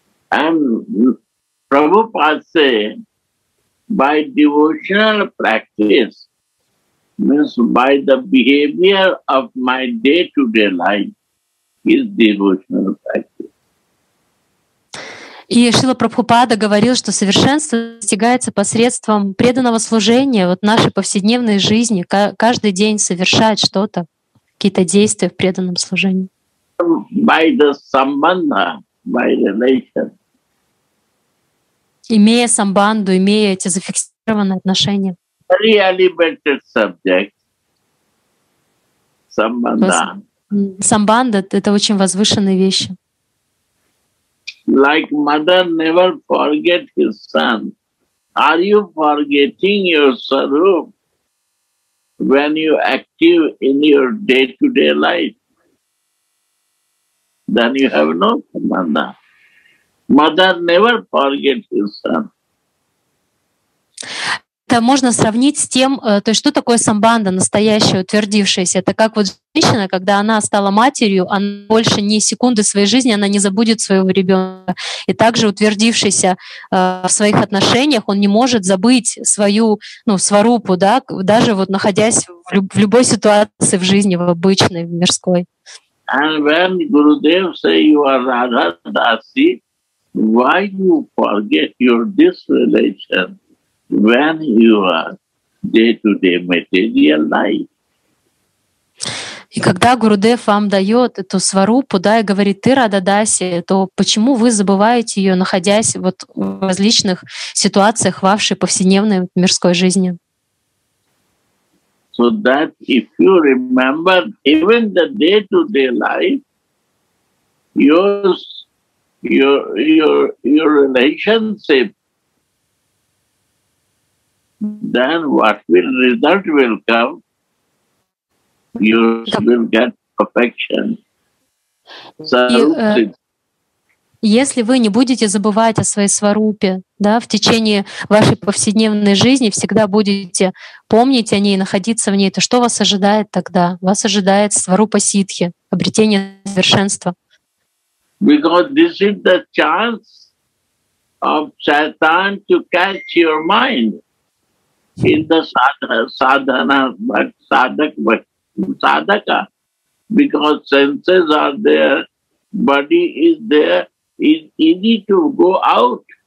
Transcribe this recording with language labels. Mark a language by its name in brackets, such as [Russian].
[English] And Prabhupada say, by devotional practice, means by the behavior of my day-to-day life, is devotional practice. [Russian] И Шрила Прабхупада говорил, что совершенство достигается посредством преданного служения вот нашей повседневной жизни, каждый день совершать что-то, какие-то действия в преданном служении. [English] By the sambandha, by relation. [Russian] Имея самбанду, имея эти зафиксированные отношения. [English] Very elevated subject. Самбанда. [Russian] Самбанда — это очень возвышенные вещи. [English] Like mother never forget his son. Are you forgetting your sarup when you active in your day-to-day life? Then you have no samanda. Mother never forgets his son. [Russian] Это можно сравнить с тем, то есть что такое самбанда, настоящая, утвердившаяся. Это как вот женщина, когда она стала матерью, она больше ни секунды своей жизни она не забудет своего ребенка. И также утвердившийся в своих отношениях, он не может забыть свою, ну, сварупу, да, даже вот находясь в любой ситуации в жизни, в обычной, в мирской. [English] And when Gurudev say you are Radha Dasi, why you forget your this relation? When you are day-to-day material life. [Russian] И когда Гурудев вам дает эту сварупу, да, и говорит, ты Радха Даси, то почему вы забываете ее, находясь вот в различных ситуациях вашей повседневной мирской жизни? [English] So that if you remember even the day-to-day life, your relationship, then what will result will come? You will get perfection. [Russian] Если вы не будете забывать о своей сварупе, да, в течение вашей повседневной жизни всегда будете помнить о ней, находиться в ней, то что вас ожидает тогда? Вас ожидает сварупа ситхи, обретение совершенства. [English] Because this is the chance of Satan to catch your mind in the sadhana, sadhaka. Because senses are there, body is there, it's easy to go out.